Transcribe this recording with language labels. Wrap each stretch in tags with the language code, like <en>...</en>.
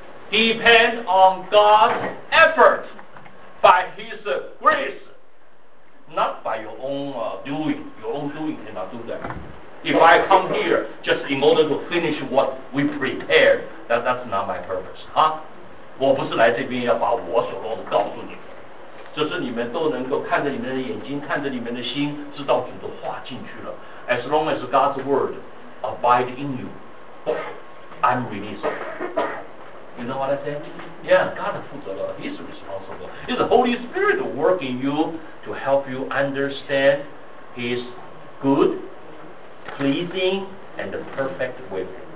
<en>Depend on God's effort by His grace, not by your own doing. Your own doing cannot do that. If I come here just in order to finish what we prepared, that's not my purpose, huh?</en> <zh>我不是来这边要把我所做的告诉你们，这是你们都能够看着你们的眼睛，看着你们的心，知道主的话进去了。</zh> <en>As long as God's word abide in you, I'm released. You know what I say? Yeah, God</en> <zh>负责了</zh> <en>He's responsible. It's the Holy Spirit working you to help you understand His good, pleasing, and perfect will.</en>